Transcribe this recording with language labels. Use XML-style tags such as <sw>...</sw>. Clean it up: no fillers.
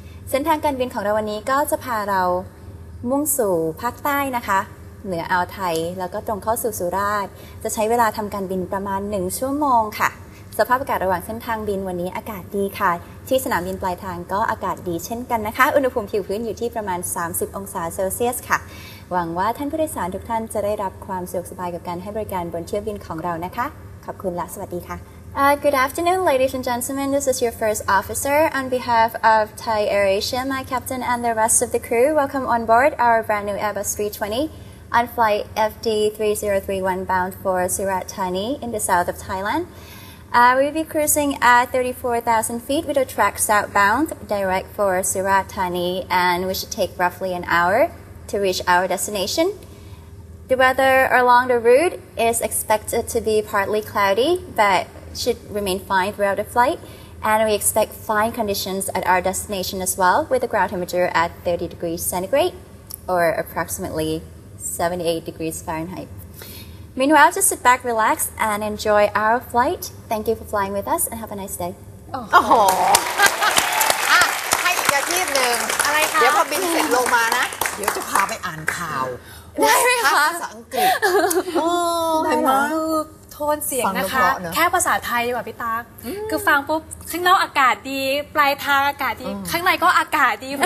<th>เส้นทางการบินของเราวันนี้ก็จะพาเรามุ่งสู่ภาคใต้นะคะเหนืออ่าวไทยแล้วก็ตรงเข้าสู่สุราษฎร์จะใช้เวลาทำการบินประมาณ1ชั่วโมงค่ะสภาพอากาศระหว่างเส้นทางบินวันนี้อากาศดีค่ะที่สนามบินปลายทางก็อากาศดีเช่นกันนะคะอุณหภูมิผิวพื้นอยู่ที่ประมาณ30องศาเซลเซียสค่ะหวังว่าท่านผู้โดยสารทุกท่านจะได้รับความสะดวกสบายกับการให้บริการบนเที่ยวบินของเรานะคะขอบคุณและสวัสดีค่ะ</th> <en>Good afternoon, ladies and gentlemen. This is your first officer. On behalf of Thai Air Asia, my captain and the rest of the crew, welcome on board our brand new Airbus 320. On flight FD3031 bound for Surat Thani in the south of Thailand. We'll be cruising at 34,000 feet with a track southbound direct for Surat Thani, and we should take roughly an hour to reach our destination. The weather along the route is expected to be partly cloudy, but should remain fine throughout the flight. and we expect fine conditions at our destination as well, with a ground temperature at 30 degrees centigrade, or approximately 78 degrees Fahrenheit. Meanwhile, just sit back, relax, and enjoy our flight. Thank you for flying with us, and have a nice day. Oh.</en> <th>Oh. ให้อีกอาทิตย์นึง อะไรคะ เดี๋ยวพอบินเสร็จลงมานะเดี๋ยวจะพาไปอ่านข่าว ได้ไหมคะ ภาษาอังกฤษ ได้มั้ยโทนเสียงนะคะแค่ภาษาไทยดีกว่าพี่ตาคือฟังปุ๊บข้างนอกอากาศดีปลายทางอากาศดีข้างในก็อากาศดี</th>